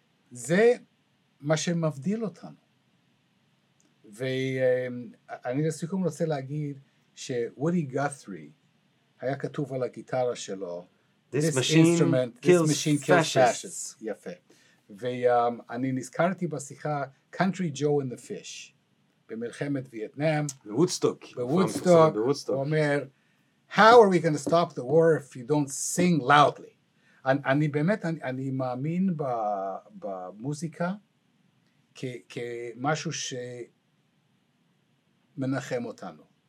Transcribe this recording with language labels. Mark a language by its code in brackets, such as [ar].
[he] זה מה שמבדיל אותנו. ואני לסיכום רוצה להגיד שוודי גת'רי היה כתוב על הגיטרה שלו [en] This machine kills fascists. [he] יפה. ואני נזכרתי בשיחה Country Joe and the Fish במלחמת וייטנאם. בוודסטוק. בוודסטוק. הוא אומר, [en] how are we going to stop the war if you don't sing loudly? [he] אני באמת, אני מאמין במוזיקה כמשהו שמנחם אותנו.